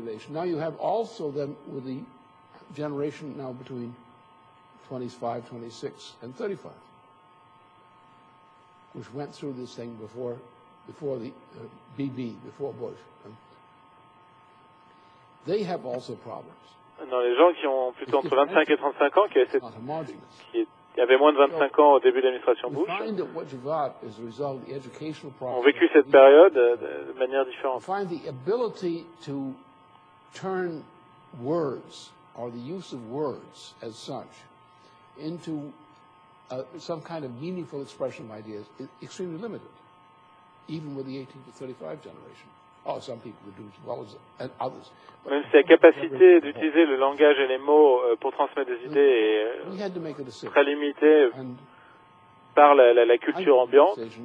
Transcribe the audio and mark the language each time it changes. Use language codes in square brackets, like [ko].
[en] Now you have also them with the generation now between 25, 26 and 35, which went through this thing before the BB, before Bush. They have also problems. [fr] Non, les gens qui ont plutôt entre 25 et 35 ans, qui avaient moins de 25 ans au début de l'administration Bush, ont vécu cette période de manière différente. [en] Find the ability to turn words or the use of words as such into some kind of meaningful expression of ideas is extremely limited, even with the 18 to 35 generation. Oh, some people would do as well as others. [fr] Même si la capacité d'utiliser le langage et les mots pour transmettre des idées est très limitée par la culture ambiante.